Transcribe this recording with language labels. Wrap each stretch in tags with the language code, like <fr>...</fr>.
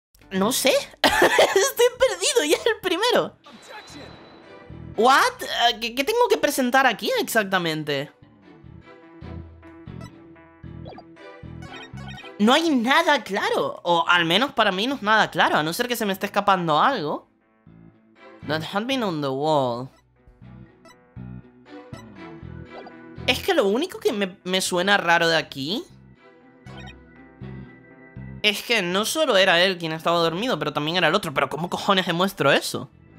<es>No sé. Estoy perdido y es el primero.</es> <en>¿What?</en> <es>¿Qué tengo que presentar aquí exactamente? No hay nada claro. O al menos para mí no es nada claro. A no ser que se me esté escapando algo.</es> <en>That had been on the wall.</en> <es>Es que lo único que me suena raro de aquí... Es que no solo era él quien estaba dormido, pero también era el otro. Pero ¿cómo cojones demuestro eso?</es>